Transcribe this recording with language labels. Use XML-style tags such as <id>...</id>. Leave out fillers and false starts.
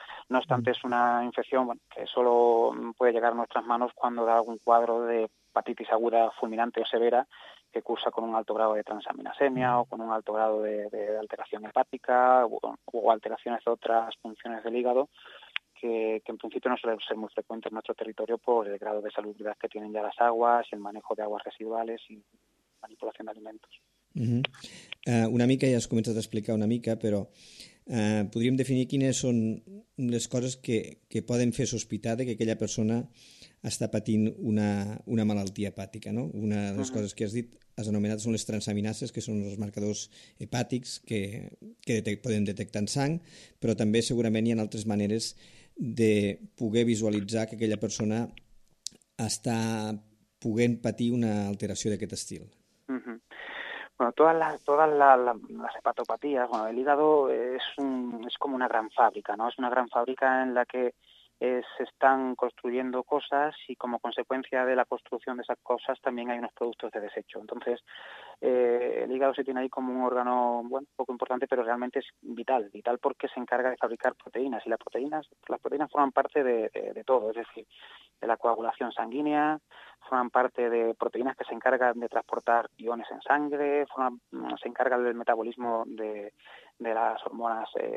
<es>No obstante, es una infección que solo puede llegar a nuestras manos cuando da algún cuadro de hepatitis aguda fulminante o severa, que cursa con un alto grado de transaminasemia o con un alto grado de alteración hepática o alteraciones de otras funciones del hígado, que en principio no suele ser muy frecuente en nuestro territorio por el grado de salubridad que tienen ya las aguas, el manejo de aguas residuales y manipulación de alimentos. Uh-huh.</es> <ca>Una mica ja has començat a explicar una mica, però podríem definir quines són les coses que poden fer sospitar que aquella persona està patint una malaltia hepàtica, no? Una de les coses que has dit, has anomenat, són les transaminases, que són els marcadors hepàtics que poden detectar en sang, però també segurament hi ha altres maneres de poder visualitzar que aquella persona està poguent patir una alteració d'aquest estil.</ca> <es>Bueno, todas las hepatopatías, bueno, el hígado es como una gran fábrica, ¿no? Es una gran fábrica en la que se están construyendo cosas y como consecuencia de la construcción de esas cosas también hay unos productos de desecho. Entonces, el hígado se tiene ahí como un órgano, bueno, poco importante, pero realmente es vital, vital porque se encarga de fabricar proteínas y las proteínas forman parte de todo, es decir, de la coagulación sanguínea, forman parte de proteínas que se encargan de transportar iones en sangre, se encargan del metabolismo de las hormonas</es>